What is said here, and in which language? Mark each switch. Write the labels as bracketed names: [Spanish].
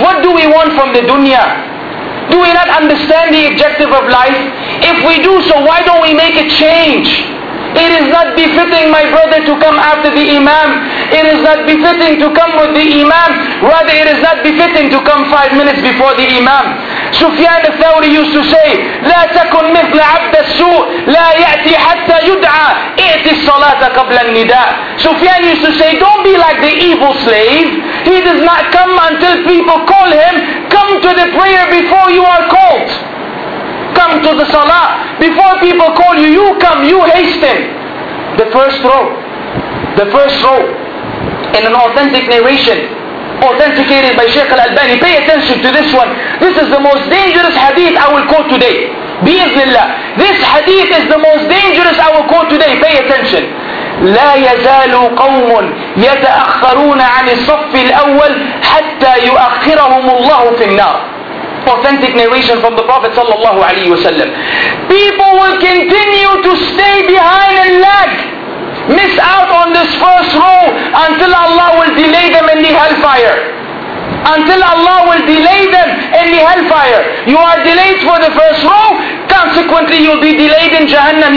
[English] What do we want from the dunya? Do we not understand the objective of life? If we do so, why don't we make a change? It is not befitting, my brother, to come after the imam. It is not befitting to come with the imam. Rather, it is not befitting to come 5 minutes before the imam. Sufyan al-Thawri used to say, [Arabic] لا تكن مثل عبد السوء لا يأتي حتى يدعى ائتي الصلاة قبل النداء. [English] Sufyan used to say, don't be like the evil slave. He does not come until people call him. Come to the prayer before you are called. Come to the salah. Before people call you, you come, you hasten. The first row. The first row. In an authentic narration, authenticated by Shaykh al-Albani. Pay attention to this one. This is the most dangerous hadith I will quote today. Bi-Iznillah. This hadith is the most dangerous I will quote today. Pay attention. [Arabic] لا يزال قوم يتأخرون عن الصف الأول حتى يؤخرهم الله في النار. [English] Authentic narration from the Prophet sallallahu alaihi wasallam. People will continue to stay behind and lag, miss out on this first row until Allah will delay them in the hellfire. Until Allah will delay them in the hellfire. You are delayed for the first row, consequently you'll be delayed in Jahannam.